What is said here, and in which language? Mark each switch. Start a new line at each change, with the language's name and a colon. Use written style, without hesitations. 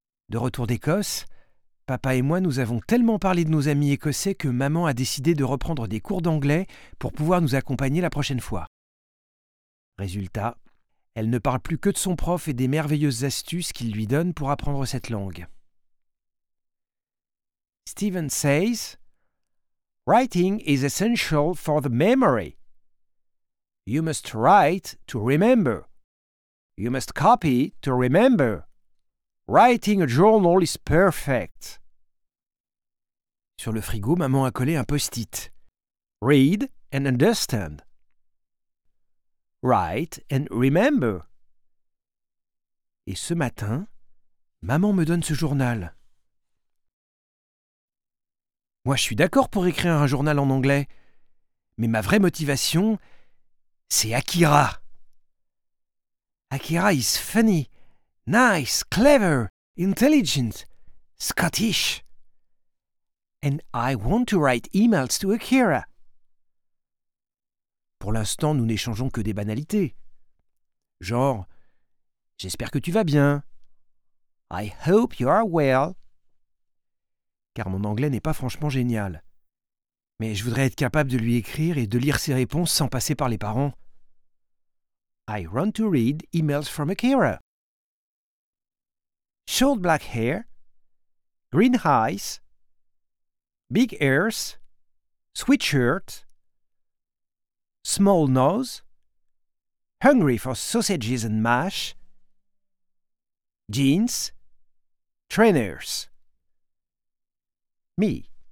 French: De retour d'Écosse, papa et moi nous avons tellement parlé de nos amis écossais que maman a décidé de reprendre des cours d'anglais pour pouvoir nous accompagner la prochaine fois. Résultat, elle ne parle plus que de son prof et des merveilleuses astuces qu'il lui donne pour apprendre cette langue.
English: Stephen says, writing is essential for the memory. You must write to remember. You must copy to remember. Writing a journal is perfect.
French: Sur le frigo, maman a collé un post-it.
English: Read and understand. Write and remember.
French: Et ce matin, maman me donne ce journal. Moi, je suis d'accord pour écrire un journal en anglais, mais ma vraie motivation, c'est Akira.
English: Akira is funny, nice, clever, intelligent, Scottish. And I want to write emails to Akira.
French: Pour l'instant, nous n'échangeons que des banalités. Genre, j'espère que tu vas bien.
English: I hope you are well.
French: Car mon anglais n'est pas franchement génial. Mais je voudrais être capable de lui écrire et de lire ses réponses sans passer par les parents.
English: I run to read emails from Akira. Short black hair, green eyes, big ears, sweatshirt, small nose, hungry for sausages and mash, jeans, trainers. Me.